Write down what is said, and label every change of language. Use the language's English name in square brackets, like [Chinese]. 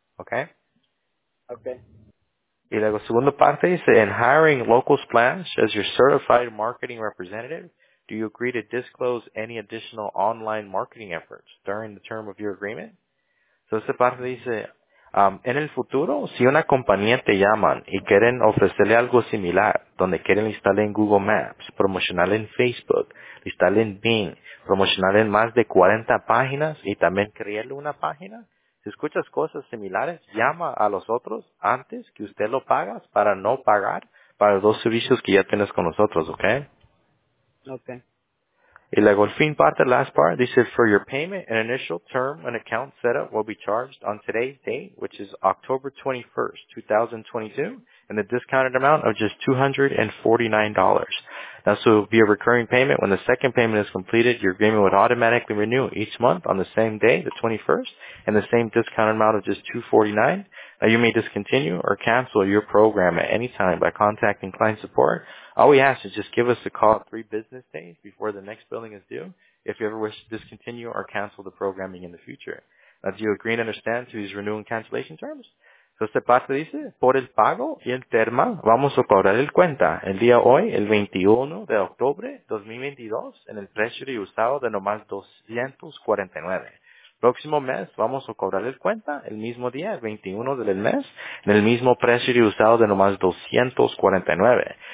[Spanish] ¿Ok? Ok. Y luego, segunda parte dice, [English] in hiring Local Splash as your certified marketing representative, do you agree to disclose any additional online marketing efforts during the term of your agreement? [Spanish] Entonces, esta parte dice, en el futuro, si una compañía te llaman y quieren ofrecerle algo similar, donde quieren instalar en Google Maps, promocionar en Facebook, instalar en Bing, promocionar en más de 40 páginas y también crearle una página, si escuchas cosas similares, llama a los otros antes que usted lo pagas para no pagar para los dos servicios que ya tienes con nosotros, ¿ok? Ok. Y luego el fin parte, [English] last part, dice, for your payment, an initial term and account setup will be charged on today's date, which is October 21st, 2022, and the discounted amount of just $249. This will be a recurring payment. When the second payment is completed, your agreement would automatically renew each month on the same day, the 21st, and the same discounted amount of just $249. Now, you may discontinue or cancel your program at any time by contacting client support. All we ask is just give us a call 3 business days before the next billing is due if you ever wish to discontinue or cancel the programming in the future. Now, do you agree and understand to these renewal and cancellation terms? [Spanish] So, esta parte dice, por el pago y el termo, vamos a cobrar el cuenta el día hoy, el 21 de octubre 2022, en el precio de usado de nomás $249. Próximo mes, vamos a cobrar el cuenta el mismo día, el 21 del mes, en el mismo precio de usado de nomás $249.